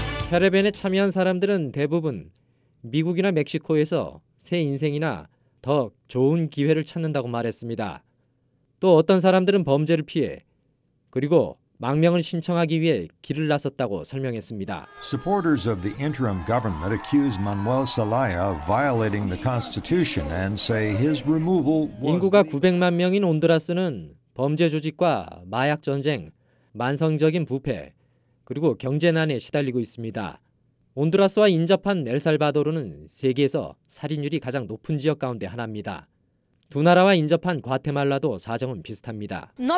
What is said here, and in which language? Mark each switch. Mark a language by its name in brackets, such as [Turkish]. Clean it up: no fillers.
[Korean] 캐러밴에 참여한 사람들은 대부분 미국이나 멕시코에서 새 인생이나 더 좋은 기회를 찾는다고 말했습니다. 또 어떤 사람들은 범죄를 피해 그리고 망명을 신청하기 위해 길을 나섰다고 설명했습니다. [English] Supporters of the interim government accuse Manuel Zelaya of violating the constitution and say his removal was [Korean] 인구가 900만 명인 온드라스는 범죄 조직과 마약 전쟁, 만성적인 부패, 그리고 경제난에 시달리고 있습니다. 온드라스와 인접한 엘살바도르는 세계에서 살인율이 가장 높은 지역 가운데 하나입니다. 두 나라와 인접한 과테말라도 사정은 비슷합니다.